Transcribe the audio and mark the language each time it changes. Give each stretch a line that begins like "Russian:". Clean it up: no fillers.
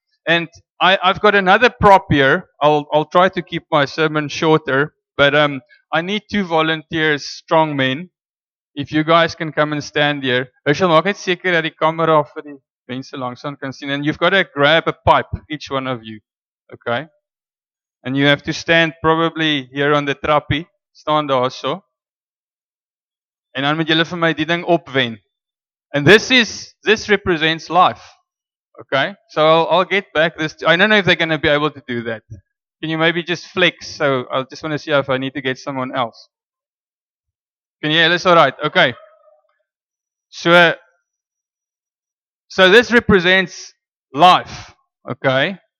English: And I've got another prop here. I'll try to keep my sermon shorter, but I need two volunteers, strong men. If you guys can come and stand here.
Afrikaans: Herschel, maak net seker dat die kamera vir die mense langsaan kan sien.
English: And you've got to grab a pipe, each one of you. Okay? And you have to stand probably here on the trappie.
Afrikaans: Staan daar so. En dan moet julle vir my die ding opwen.
English: And this represents life. Okay? So I'll get back this. I don't know if they're going to be able to do that. Can you maybe just flex? So I just want to see if I need to get someone else. Can you hear this all right? Okay. So this represents life. Okay?